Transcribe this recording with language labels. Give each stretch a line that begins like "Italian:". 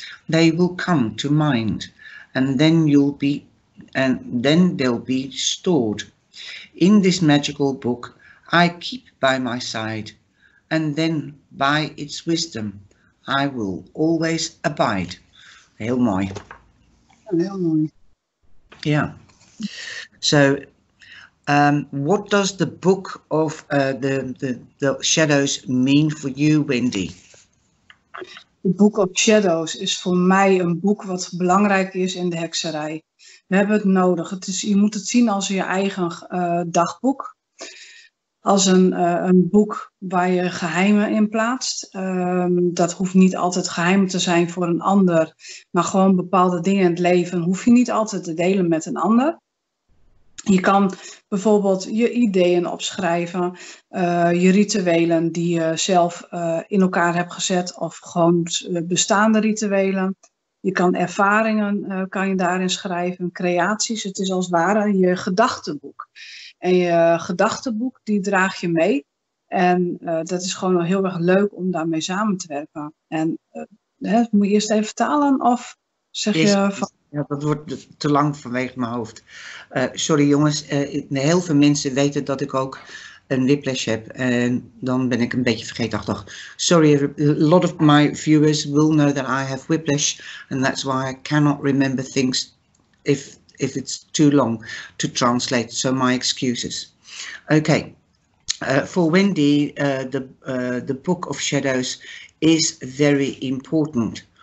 English: They will come to mind, and then they'll be stored in this magical book I keep by my side, and then by its wisdom I will always abide.
Dutch: Heel mooi. Heel mooi.
English: Yeah. So, what does the book of the shadows mean for you, Wendy?
Dutch: The Book of Shadows is voor mij een boek wat belangrijk is in de hekserij. We hebben het nodig. Je moet het zien als je eigen dagboek. Als een boek waar je geheimen in plaatst. Dat hoeft niet altijd geheim te zijn voor een ander. Maar gewoon bepaalde dingen in het leven hoef je niet altijd te delen met een ander. Je kan bijvoorbeeld je ideeën opschrijven, je rituelen die je zelf in elkaar hebt gezet of gewoon bestaande rituelen. Je kan ervaringen kan je daarin schrijven, creaties. Het is als het ware je gedachtenboek. En je gedachtenboek die draag je mee. En dat is gewoon heel erg leuk om daarmee samen te werken. En moet je eerst even vertalen of zeg je... Ja, dat wordt te lang vanwege mijn hoofd. Sorry jongens, heel veel mensen weten dat ik ook een whiplash heb. En dan ben ik een beetje vergeetachtig.
English: Sorry, a lot of my viewers will know that I have whiplash. And that's why I cannot remember things if it's too long to translate. So my excuses. Okay, for Wendy, the Book of Shadows is very important.